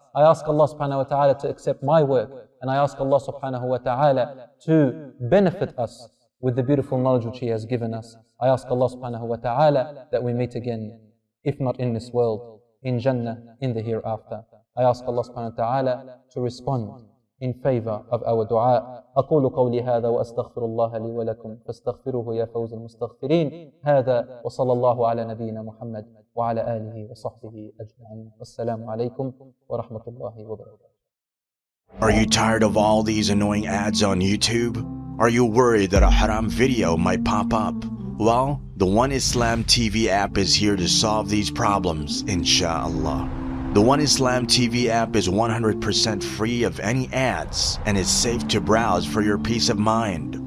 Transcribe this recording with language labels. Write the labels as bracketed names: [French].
[English] I ask Allah subhanahu wa ta'ala to accept my work, and I ask Allah subhanahu wa ta'ala to benefit us with the beautiful knowledge which He has given us. I ask Allah subhanahu wa ta'ala that we meet again, if not in this world, in Jannah, in the hereafter. I ask Allah subhanahu wa ta'ala to respond in favor of our dua. [Arabic] أقول قولي هذا وأستغفر الله لي ولكم فاستغفروه يا فوز المستغفرين هذا وصلى الله على نبينا محمد وعلى آله وصحبه أجمعين والسلام عليكم ورحمة الله وبركاته. [English] Are you tired of all these annoying ads on YouTube? Are you worried that a haram video might pop up? Well, the One Islam TV app is here to solve these problems, inshallah. The One Islam TV app is 100% free of any ads and is safe to browse for your peace of mind.